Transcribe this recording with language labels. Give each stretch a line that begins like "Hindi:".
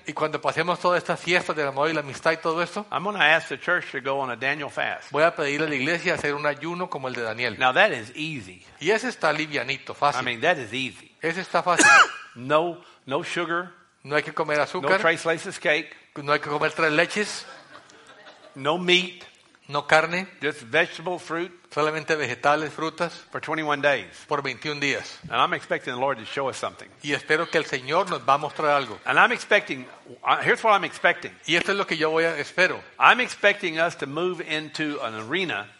Spanish: y cuando pasemos toda esta fiesta del amor y la amistad y todo esto,
English: I'm going to ask the church to go on a Daniel fast.
Spanish: Voy a pedir a la iglesia hacer un ayuno como el de Daniel.
English: Now that is easy.
Spanish: Y ese está livianito, fácil.
English: I mean that is easy.
Spanish: Ese está fácil.
English: No sugar.
Spanish: No hay que comer azúcar.
English: No tres leches cake.
Spanish: No hay que comer tres leches.
English: No meat.
Spanish: No carne.
English: Just vegetable fruit.
Spanish: Solamente vegetales, frutas.
English: For 21 days.
Spanish: Por 21 días.
English: And I'm expecting the Lord to show us something.
Spanish: Y espero que el Señor nos va a mostrar algo.
English: And I'm expecting, here's what I'm expecting.
Spanish: Y esto es lo que yo voy a espero.
English: I'm expecting us to move into an arena.